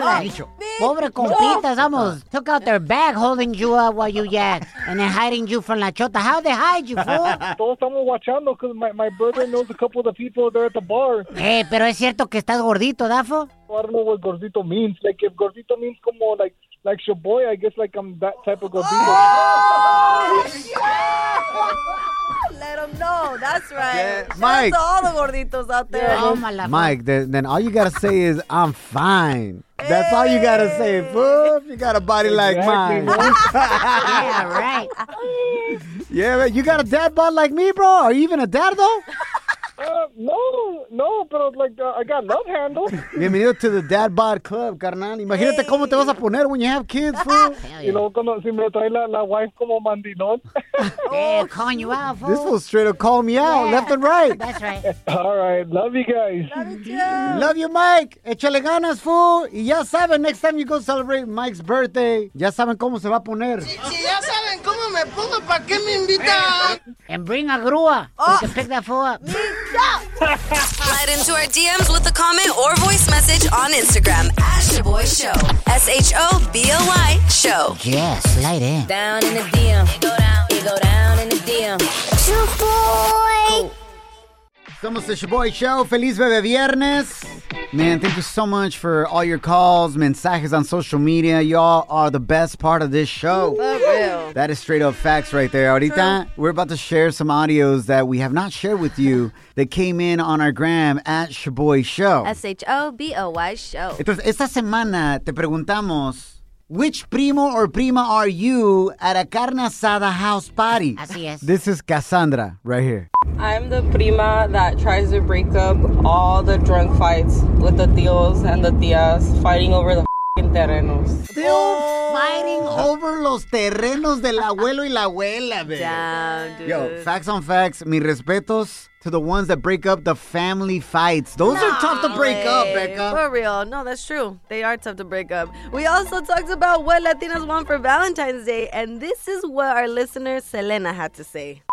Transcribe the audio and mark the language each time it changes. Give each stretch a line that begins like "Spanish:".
English: Like,
Spanish: pobre compitas,
English: almost took out their bag holding you up while you yacked. And then hiding you from
Spanish: la chota.
English: How they hide you, fool?
Spanish: Todos estamos watchando
English: because my brother knows a couple of the people there at the bar.
Spanish: Hey, pero es cierto que estás gordito, dafo.
English: I don't know what gordito means. Like, if gordito means como, like your boy, I guess, like, I'm that type of gordito. Oh, yeah! Let him know. That's right. Yeah, Mike. To all the gorditos out there. Yeah. Oh, my Mike, then all you got to say is, I'm fine. That's all you got to say, fool. You got a body like mine. Yeah, right. Yeah, but you got a dad bod like me, bro? Are you even a dad, though?
Spanish: No, pero,
English: I got love handles.
Spanish: Bienvenido
English: to the dad bod club, carnal.
Spanish: Imagínate cómo te vas a poner
English: when you have kids, fool.
Spanish: Y luego cuando si me trae la wife como mandilón.
English: Yeah, calling you out, fool. This will straight up call me out, left and right. That's right. All right, love you guys. Love you, Mike.
Spanish: Échale ganas,
English: fool.
Spanish: Y ya saben,
English: next time you go celebrate Mike's birthday,
Spanish: ya saben cómo se va a poner. Si ya saben cómo me pongo, ¿pa' qué me invitan?
English: And bring a grúa. Oh. You can pick that fool up. Slide into our DMs with a comment or voice message on Instagram at Shaboy Show. S-H-O-B-O-Y Show. Yeah, slide in. Down in the DM. It go down in the DM. Shaboy. Somos the Shaboy Show. Feliz Bebe Viernes. Man, thank you so much for all your calls, mensajes on social media. Y'all are the best part of this show. For real. That is straight up facts right there. Ahorita, we're about to share some audios that we have not shared with you that came in on our gram at Shaboy Show. S-H-O-B-O-Y Show.
Spanish: Entonces, esta semana te preguntamos,
English: which primo or prima are you at a carne asada house party?
Spanish: Así es.
English: This is Cassandra right here. I'm the prima that tries to break up all the drunk fights with the tíos and the tías fighting over the f***ing terrenos. Still fighting over
Spanish: los terrenos del abuelo y la abuela, baby.
English: Damn, dude. Yo, facts on facts,
Spanish: mis respetos
English: to the ones that break up the family fights. Those are tough to break up, Becca. For real. No, that's true. They are tough to break up. We also talked about what Latinas want for Valentine's Day, and this is what our listener Selena had to say.